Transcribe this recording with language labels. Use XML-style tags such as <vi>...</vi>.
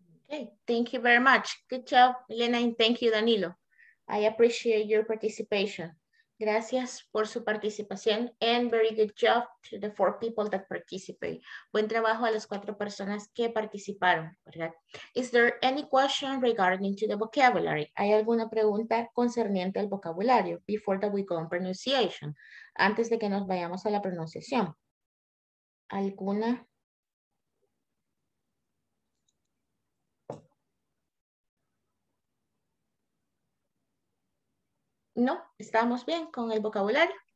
<en>Okay, thank you very much. Good job, Elena, and thank you, Danilo. I appreciate your participation.</en> <es>Gracias por su participación</es> <en>and very good job to the 4 people that participate.</en> <es>Buen trabajo a las 4 personas que participaron, ¿verdad?</es> <en>Is there any question regarding to the vocabulary?</en> <es>¿Hay alguna pregunta concerniente al vocabulario</es> <en>before that we go on pronunciation?</en> <es>Antes de que nos vayamos a la pronunciación. ¿Alguna? No, estamos bien con el vocabulario.</es>